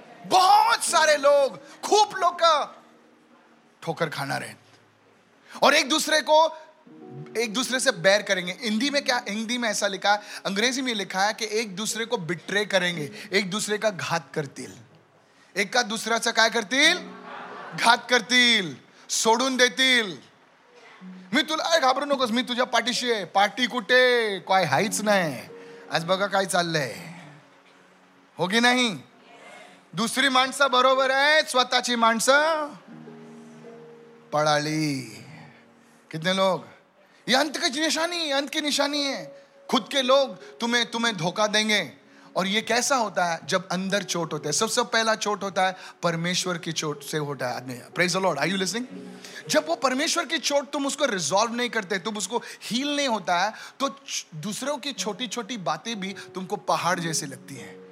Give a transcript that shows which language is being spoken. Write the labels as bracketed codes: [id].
[hi] बहुत सारे लोग खूब लोग का ठोकर खाना रहे और एक दूसरे को एक दूसरे से बैर करेंगे. हिंदी में क्या, हिंदी में ऐसा लिखा है, अंग्रेजी में लिखा है कि एक दूसरे को बिट्रे करेंगे, एक दूसरे का घात करतील, एक का दूसरा से क्या करतील, [mr] घात करतील, सोडून देतील. मी तुला अरे घाबरू नकोस, मी तुझ्या पाठीशी आहे. पाठी कुठे, काय हाईच नाही, आज बघा काय चाललंय, हो की नाही. दुसरी माणसं बरोबर आहे, स्वतःची माणसं पळाली. [hi] कितने लोग, ये अंत की निशानी, अंत की निशानी है. खुद के लोग तुम्हें तुम्हें धोखा देंगे. और ये कैसा होता है, जब अंदर चोट होता है, सबसे पहला चोट होता है परमेश्वर की चोट से होता है. [en] Praise the Lord, are you listening. [hi] जब वो परमेश्वर की चोट तुम उसको रिजॉल्व नहीं करते, तुम उसको हील नहीं होता है, तो दूसरों की छोटी छोटी बातें भी तुमको पहाड़ जैसी लगती है.